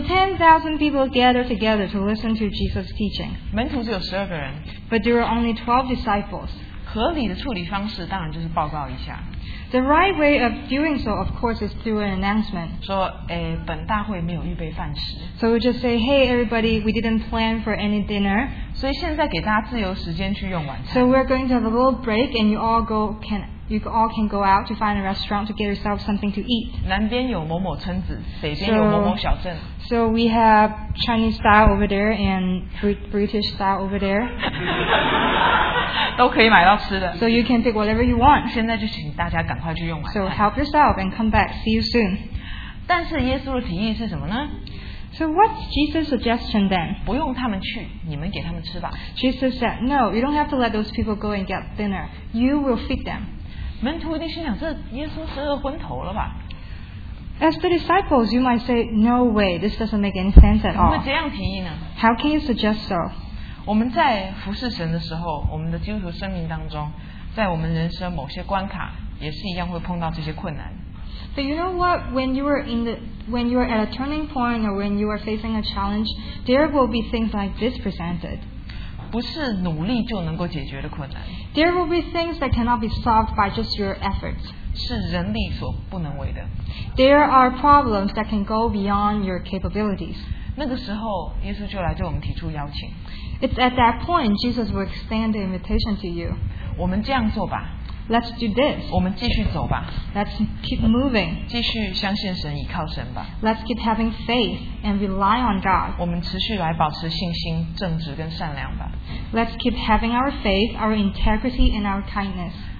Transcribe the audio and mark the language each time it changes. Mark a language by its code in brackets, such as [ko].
[en] 10,000 people gather together to listen to Jesus' teaching. [zh] 门徒只有十二个人。But [en] there were only 12 disciples. [zh] 合理的处理方式当然就是报告一下。The [en] right way of doing so, of course, is through an announcement. [zh] 说，本大会没有预备饭食。So [en] we just say, hey everybody, we didn't plan for any dinner. [zh] 所以现在给大家自由时间去用晚餐。So [en] we're going to have a little break and you all can go out to find a restaurant to get yourself something to eat. [zh] 南边有某某村子，北边有某某小镇。 [en] So we have Chinese style over there and British style over there. [zh] 都可以买到吃的。 [en] So you can take whatever you want. [zh] 现在就请大家赶快去用完。 [en] So help yourself and come back. See you soon. [zh] 但是耶稣的提议是什么呢？ [en] So what's Jesus' suggestion then? [zh] 不用他们去, 你们给他们吃吧。 [en] Jesus said, no, you don't have to let those people go and get dinner. You will feed them. [zh] 门徒一定心想, 这耶稣是饿昏头了吧。 [en] As the disciples, you might say, no way, this doesn't make any sense at all. [zh] 怎么这样提议呢? [en] How can you suggest so? [zh] 我们在服侍神的时候, 我们的基督徒生命当中, 在我们人生某些关卡, 也是一样会碰到这些困难。 [en] But you know what? When you are at a turning point or when you are facing a challenge, there will be things like this presented. [zh] 不是努力就能够解决的困难。 [en] There will be things that cannot be solved by just your efforts. [zh] 是人力所不能为的。 [en] There are problems that can go beyond your capabilities. [zh] 那个时候，耶稣就来对我们提出邀请。 [en] It's at that point Jesus will extend the invitation to you. [zh] 我们这样做吧。 [en] Let's do this. [zh] 我们继续走吧。 [en] Let's keep moving. [zh] 继续相信神，依靠神吧。 [en] Let's keep having faith and rely on God. [zh] 我们持续来保持信心、正直跟善良吧。 [en] Let's keep having our faith, our integrity, and our kindness.